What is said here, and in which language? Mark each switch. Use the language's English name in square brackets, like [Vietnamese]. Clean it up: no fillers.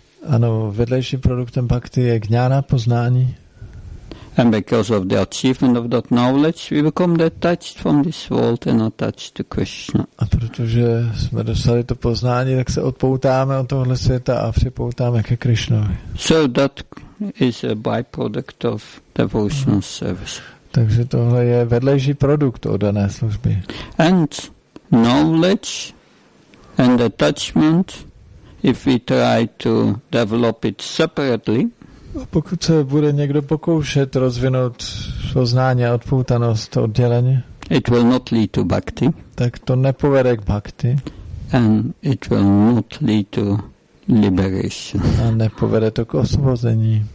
[Czech] Ano, vedlejším produktem bhakti je gnana, poznání. [English] And because of the achievement of that knowledge, we become detached from this world and attached to Krishna. [Czech] A protože jsme dostali to poznání, tak se odpoutáme od tohle světa a připoutáme ke Krishnovi. [English] So that is a byproduct of devotional service. [Czech] Takže tohle je vedlejší produkt oddané služby. [English] And knowledge and attachment, if we try to develop it separately. [Czech] A pokud se bude někdo pokoušet rozvinout poznání a odpoutanost odděleně, [English] it will not lead to bhakti. [Czech] Tak to nepovede k bhakti. [English] And it will not lead to liberation. [Czech] A nepovede to k osvobození.